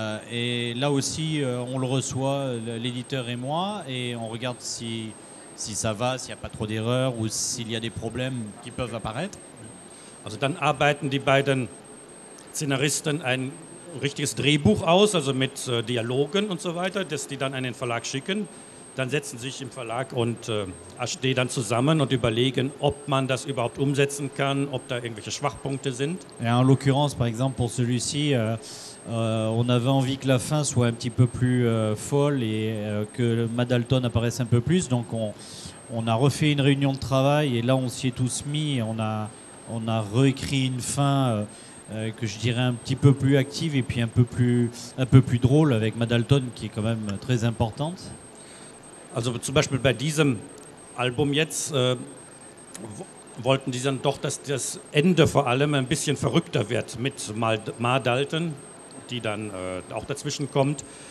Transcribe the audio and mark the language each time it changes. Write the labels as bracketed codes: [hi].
[fr] Et là aussi, on le reçoit, l'éditeur et moi, et on regarde si, si ça va, s'il n'y a pas trop d'erreurs ou s'il y a des problèmes qui peuvent apparaître. [de] Also dann arbeiten die beiden Szenaristen ein richtiges Drehbuch aus, also mit Dialogen und so weiter, das die dann an den Verlag schicken. Dann setzen sie sich im Verlag und Ashdee dann zusammen und überlegen, ob man das überhaupt umsetzen kann, ob da irgendwelche Schwachpunkte sind. [fr] Et en l'occurrence, par exemple, pour celui-ci, on avait envie que la fin soit un petit peu plus folle et que Madalton apparaisse un peu plus. Donc on a refait une réunion de travail et là on s'y est tous mis et on a réécrit une fin que je dirais un petit peu plus active et puis un peu plus drôle avec Madalton qui est quand même très importante. [de] Also zum Beispiel bei diesem Album jetzt wollten die dann doch, dass das Ende vor allem ein bisschen verrückter wird mit Madalton, die dann auch dazwischen kommt.